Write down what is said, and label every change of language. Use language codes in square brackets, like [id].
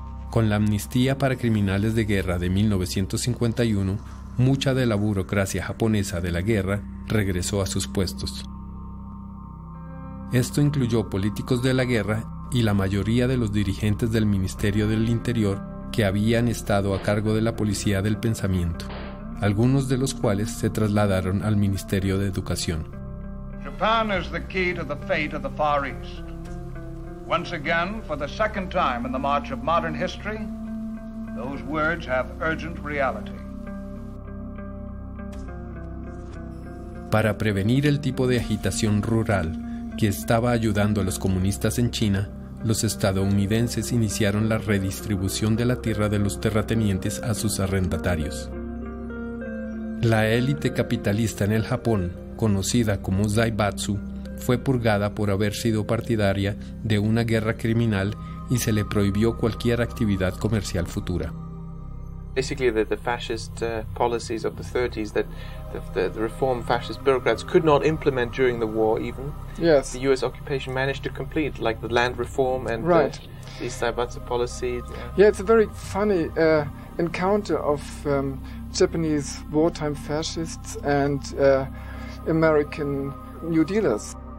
[es] Con la amnistía para criminales de guerra de 1951, mucha de la burocracia japonesa de la guerra regresó a sus puestos. Esto incluyó políticos de la guerra y la mayoría de los dirigentes del Ministerio del Interior que habían estado a cargo de la Policía del Pensamiento, algunos de los cuales se trasladaron al Ministerio de Educación. [en] Japan is the key to the fate of the Far East. Once again, for the second time in the march of modern history, those words have urgent reality. [es] Para prevenir el tipo de agitación rural que estaba ayudando a los comunistas en China, los estadounidenses iniciaron la redistribución de la tierra de los terratenientes a sus arrendatarios. La élite capitalista en el Japón, conocida como Zaibatsu, fue purgada por haber sido partidaria de una guerra criminal y se le prohibió cualquier actividad comercial futura. [en] Basically, the fascist policies of the 30s that the reform fascist bureaucrats could not implement during the war, even. Yes. The U.S. occupation managed to complete, like the land reform and right. The Saibatsu policy. Yeah, it's a very funny encounter of Japanese wartime fascists and American New Dealers.